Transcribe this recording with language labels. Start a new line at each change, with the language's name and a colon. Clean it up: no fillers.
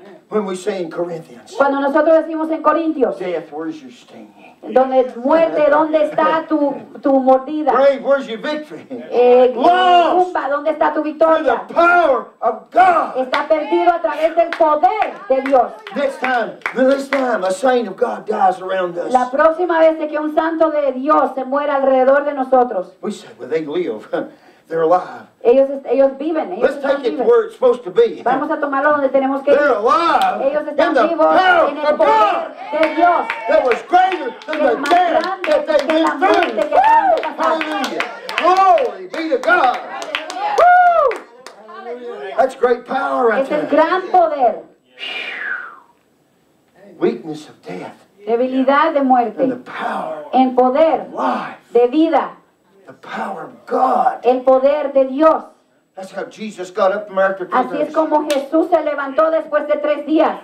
English: When we say in Corinthians.
Spanish: Cuando nosotros decimos en Corintios.
English: Death, where's your sting?
Spanish: Donde muerte, ¿dónde está tu mordida?
English: Grave, where's your victory? Lost.
Spanish: Tumba, ¿dónde está tu victoria?
English: The power of God.
Spanish: Está perdido a través del poder de Dios.
English: This time, a saint of God dies around us.
Spanish: La próxima vez de que un santo de Dios se muera alrededor de nosotros.
English: We say, well, they live. They're alive.
Spanish: Ellos viven. Ellos
English: let's
Spanish: están
English: take it
Spanish: vivos.
English: To where it's supposed to be.
Spanish: Vamos a tomarlo donde tenemos que
English: they're
Spanish: ir.
English: Alive
Spanish: ellos están vivos en el poder de Dios.
English: That was greater than the death that they
Spanish: que
English: went through. Hallelujah. Glory be to God. Hallelujah. That's great power right there.
Spanish: Es el gran poder.
English: Weakness of death.
Spanish: Debilidad de muerte.
English: And the power
Spanish: en poder
English: life.
Spanish: De vida.
English: The power of God.
Spanish: El poder de Dios.
English: That's how Jesus got up from after 3 days.
Spanish: Así es como Jesús se levantó después de 3 días.